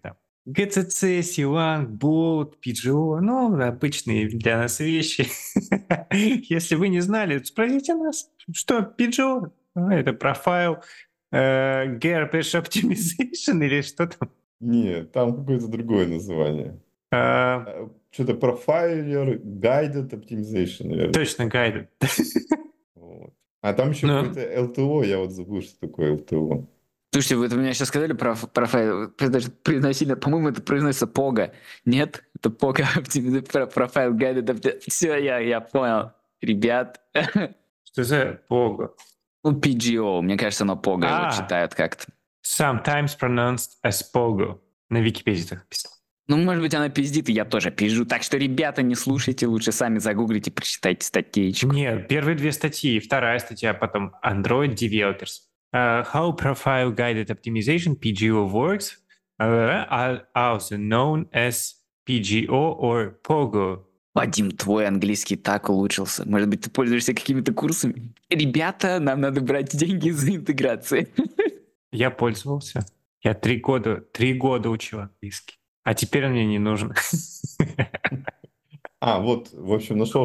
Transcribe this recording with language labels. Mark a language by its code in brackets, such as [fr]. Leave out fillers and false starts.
[ru] Там GCC, C1, Bolt, PGO, ну, обычные для нас вещи. Если вы не знали, спросите нас, что PGO? Это профайл Garbage Optimization или что там? Нет, там какое-то другое название. Что-то Profiler Guided Optimization, наверное. Точно, Guided. Вот. А там еще какое-то LTO, я вот забыл, что такое LTO. Слушайте, вы меня сейчас сказали про профайл, по-моему, это произносится POGA. Нет, это POGA Profile Guided Optimization. Все, я понял, ребят. Что за POGA? Ну, PGO, мне кажется, оно POGA его читают как-то. [en] Sometimes pronounced as POGO. [ru] На Википедии так написано. Ну, может быть, она пиздит, и я тоже пизжу. Так что, ребята, не слушайте, лучше сами загуглите, прочитайте статейчку. Нет, первые две статьи, и вторая статья потом. [en] Android Developers. How Profile Guided Optimization, PGO, works, also known as PGO or POGO. [ru] Вадим, твой английский так улучшился. Может быть, ты пользуешься какими-то курсами? Ребята, нам надо брать деньги за интеграции. Я пользовался. Я три года учил английский. А теперь он мне не нужен. А, вот, в общем, нашел.